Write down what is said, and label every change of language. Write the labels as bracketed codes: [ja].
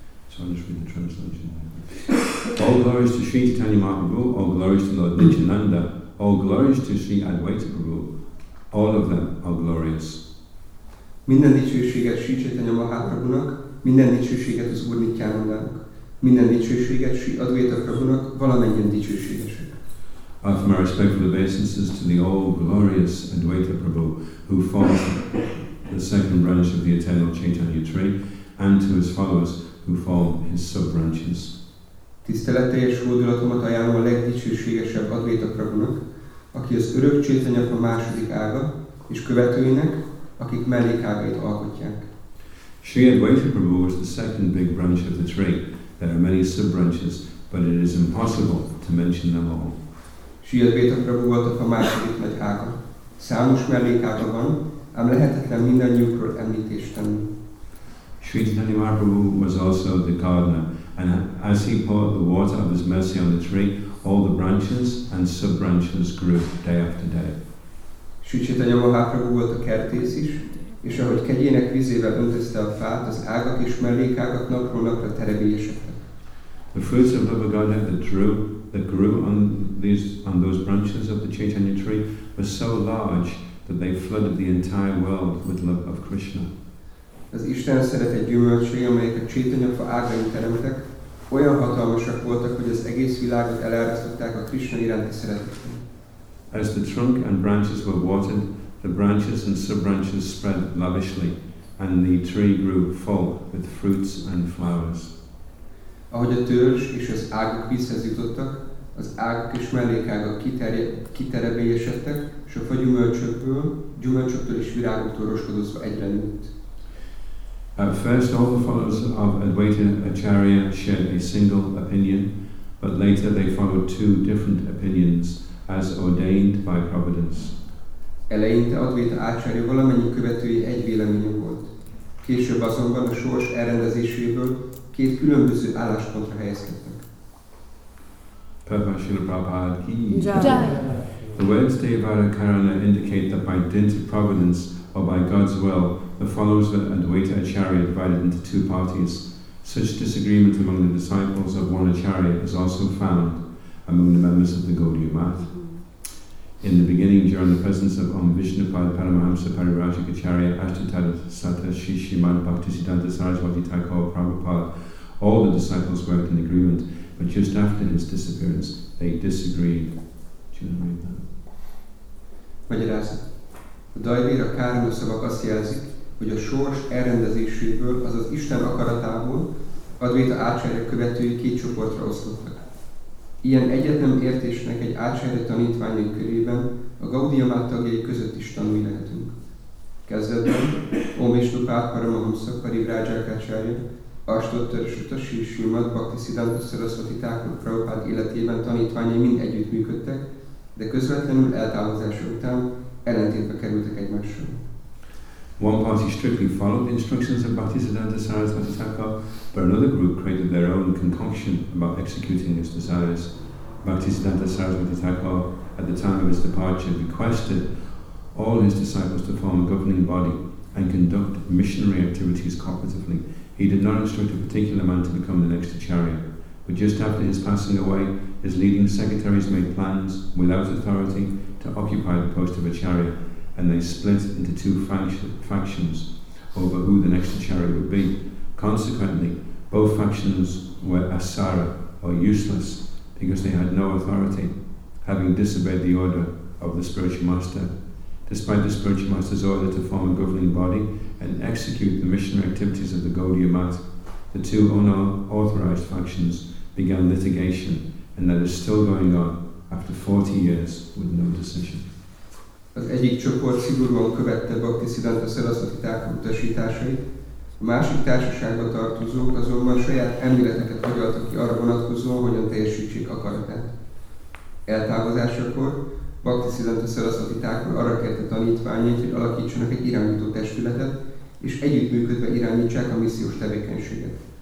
[en] So I'll just read the translation. All glories to Sri Chaitanya Mahaprabhu, all glories to Lord Nityananda, all glories to Sri Advaita Prabhu, all of them are glorious. [hu] Minden dicsőséget Sri Chaitanya Mahaprabhunak, minden dicsőséget az Úr Nityanandának, minden dicsőséget Sri Advaita Prabhunak, valamennyien dicsőségesek. [en] I offer my respectful obeisances to the all-glorious Advaita Prabhu, who forms the second branch of the eternal Chaitanya tree, and to his followers, who form his sub-branches. [hu] Tiszteletteljes hódolatomat ajánlom a legdicsőségesebb Advaita Prabhunak, aki az örök Chaitanya a második ága, és követőinek, akik mellékágait alkotják. [en] Sri Advaita Prabhu was the second big branch of the tree. There are many sub-branches, but it is impossible to mention them all. [hu] Sri Advaita Prabhu voltak a második nagy ága. Számos mellékága van, ám lehetetlen mindannyiukról említést tenni. [en] Sri Chaitanya Mahaprabhu was also the gardener, and as he poured the water of his mercy on the tree, all the branches and sub-branches grew day after day. [hu] Sri Chaitanya Mahaprabhu volt a kertész is, és ahogy kegyének vizével öntözte a fát, az ágak és mellékágak napról napra terebélyesedtek. [en] The fruits of Baba Godhead that grew on those branches of the Chaitanya tree were so large that they flooded the entire world with love of Krishna. [hu] Az Isten szeretet gyümölcsei, amelyek a Chaitanya fa ágain teremtek, olyan hatalmasak voltak, hogy az egész világot elárasztották a Krishna iránti szeretetben. [en] As the trunk and branches were watered, the branches and sub-branches spread lavishly, and the tree grew full with fruits and flowers. [hu] Ahogy a törzs és az ágak vízhez jutottak, az ágak és mellékágak kiterebélyesedtek, és a fa gyümölcsöktől és virágoktól roskadozva egyre nőtt. [en] At first, all the followers of Advaita Acharya shared a single opinion, but later they followed two different opinions, as ordained by Providence. [hu] Eleinte Advaita Acharya valamennyi követői egy véleménye volt. Később azonban a sors elrendezéséből két különböző álláspontra helyezkedtek. Purva Srila Prabhupada ki. Jai. [en] The words Devara Karana indicate that by dint of Providence or by God's will, the followers of Advaita Acharya divided into two parties. Such disagreement among the disciples of one Acharya is also found among the members of the Gaudiya Math. In the beginning, during the presence of Om Vishnupada Paramahamsa Parivrajika Acharya Ashtatada Sata Shishi Mad Bhaktisiddhanta Saraswati Thakur Prabhupada, all the disciples worked in agreement, but just after his disappearance, they disagreed. Do you want to read that? [hu] Magyarázat. A Daivéra Kárna szavak azt jelzik, hogy a sors elrendezéséből, azaz Isten akaratából Advaita Acharya követői két csoportra osztottak. Ilyen egyetlen értésnek egy Acharya tanítványai körében a Gaudiya Math tagjai között is tanúi lehetünk. Kezdetben Om Vishnupada Paramahamsa Parivrajika Acharya Ashtottara Sata Sri Srimad Bhaktisiddhanta Saraswati Thakur Prabhupada életében tanítványai mind együttműködtek, de közvetlenül eltávozása után ellentétbe kerültek egymással. [en] One party strictly followed the instructions of Bhaktisiddhanta Saraswati Thakur, but another group created their own concoction about executing his desires. Bhaktisiddhanta Saraswati Thakur, at the time of his departure, requested all his disciples to form a governing body and conduct missionary activities cooperatively. He did not instruct a particular man to become the next Acharya, but just after his passing away, his leading secretaries made plans, without authority, to occupy the post of Acharya, and they split into two factions over who the next Acharya would be. Consequently, both factions were asara, or useless, because they had no authority, having disobeyed the order of the spiritual master. Despite the spiritual master's order to form a governing body and execute the missionary activities of the Gaudiya Math, the two unauthorized factions began litigation, and that is still going on after 40 years with no decision. [hu] Az egyik csoport szigorúan követte Bhaktisiddhanta Saraswati Thakur utasításait, a másik társaságba tartozók azonban saját elméleteket hagyaltak ki arra vonatkozóan, hogyan teljesítsék akaratát. Eltávozásakor Bhaktisiddhanta Saraswati Thakur arra kérte tanítványait, hogy alakítsanak egy irányító testületet, és együttműködve irányítsák a missziós tevékenységet.